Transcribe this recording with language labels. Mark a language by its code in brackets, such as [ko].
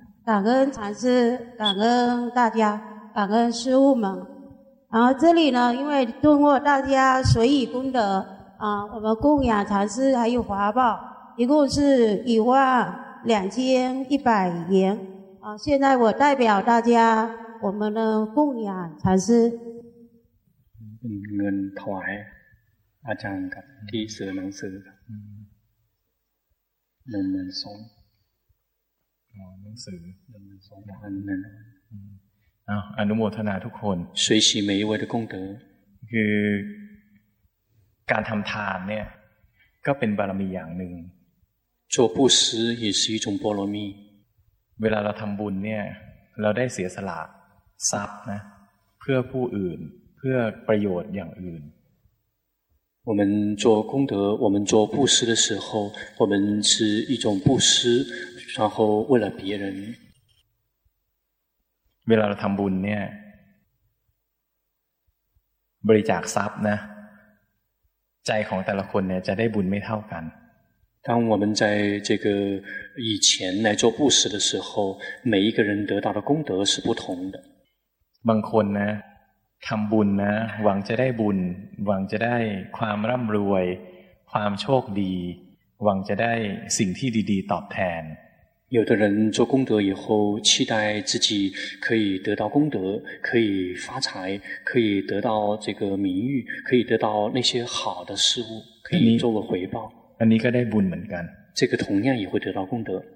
[zh] 感恩禅师感恩大家感恩师父们然后这里呢因为通过大家随喜功德啊我们供养禅师还有法宝一共是12100元啊现在我代表大家我们的供养禅师 [th] เงินถวายอาจารย์กับที่ซื้อหนังสือ12000 หนังสือ 12000 อนุโมทนาทุกคน [zh] 随喜每一位的功德 [th] คือการทำทานเนี่ยก็เป็นบารมีอย่างหนึ่ง [zh] 做布施也是一种波罗蜜 [th] เวลาเราทำบุญเนี่ยเราได้เสียสละทรัพย์นะเพื่อผู้อื่นเพื่อประโยชน์อย่างอื่น [zh] 我们做功德我们做布施的时候我们是一种布施然后为了别人 [th] เวลาเราทำบุญเนี่ยบริจาคทรัพย์นะใจของแต่ละคนเนี่ยจะได้บุญไม่เท่ากัน [zh] 当我们在这个以前来做布施的时候每一个人得到的功德是不同的 [th] บางคนนะทำบุญนะหวังจะได้บุญหวังจะได้ความร่ำรวยความโชคดีหวังจะได้สิ่งที่ดีๆตอบแทน [zh] 有的人做功德以后期待自己可以得到功德可以发财可以得到这个名誉可以得到那些好的事物可以作为回报 [th] อันนี้ก็ได้บุญเหมือนกัน [zh] 这个同样也会得到功德